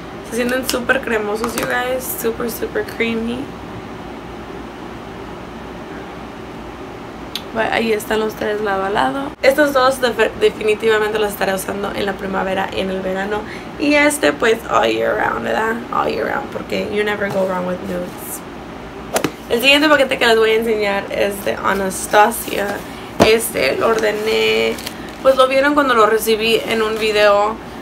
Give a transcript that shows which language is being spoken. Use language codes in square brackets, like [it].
[es] Se sienten súper cremosos, [en] you guys. [es] Súper, súper creamy. Ahí están los 3 lado a lado. Estos dos definitivamente los estaré usando en la primavera y en el verano. Y este pues [en] all year round, [es] ¿verdad? [en] All year round, porque you never go wrong with nudes. [es] El siguiente paquete que les voy a enseñar es de Anastasia. Este lo ordené, pues lo vieron cuando lo recibí en un video.